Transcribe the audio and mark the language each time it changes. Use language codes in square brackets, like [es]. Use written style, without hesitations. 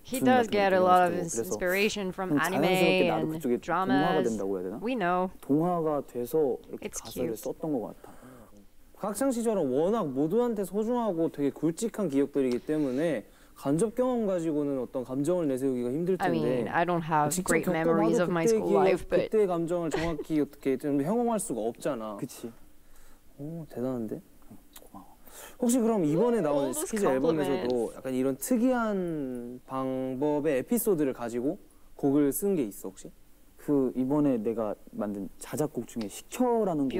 [en] He does get a lot of inspiration from anime and dramas. [ko] 동화가 된다고 해야 되나? [en] We know. [ko] 동화가 돼서 이렇게 [en] It's [ko] 가사를 [en] cute. [ko] 썼던 것 같아. 학창 시절은 워낙 모두한테 소중하고 되게 굵직한 기억들이기 때문에 간접 경험 가지고는 어떤 감정을 내세우기가 힘들 텐데 [en] I mean, I don't have great memories of my school life, but [ko] 그때 감정을 정확히 어떻게 좀 형용할 수가 없잖아. 그치. 오, 대단한데? 혹시 그럼 이번에 나온 스피즈 앨범에서도 약간 이런 특이한 방법의 에피소드를 가지고 곡을 쓴 게 있어, 혹시? 그 이번에 내가 만든 자작곡 중에 시켜라는 곡이